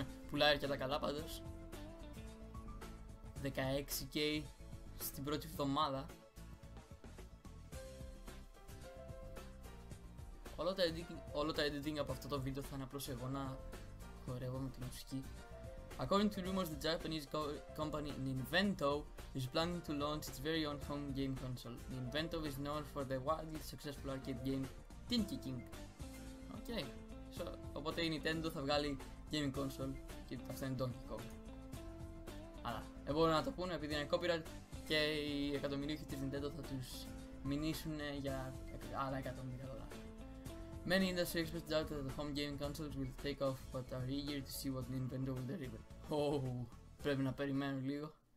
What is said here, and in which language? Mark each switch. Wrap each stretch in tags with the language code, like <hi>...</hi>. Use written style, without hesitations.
<el>Πουλάει και τα καλά πάντως. 16k στην πρώτη εβδομάδα. Όλο το editing από αυτό το βίντεο θα είναι απλώς εγώ να χορεύω με τη μουσική.</el> <en>According to rumors, the Japanese company Nintendo is planning to launch its very own home game console. Nintendo is known for the wildly successful arcade game Tinky Tink. Okay.</en> <el>So, οπότε η Nintendo θα βγάλει game console και αυτό είναι Donkey Kong. Αλλά, δεν μπορούν να το πούνε επειδή είναι copyright και οι εκατομμυρίουχοι της Nintendo θα τους μηνύσουν για άλλα εκατομμύρια δολάρια.</el> <en>Many industry experts doubt that the home gaming consoles will take off, but are eager to see what Nintendo will deliver.</en> <el>Oh, πρέπει να περιμένω λίγο.</el>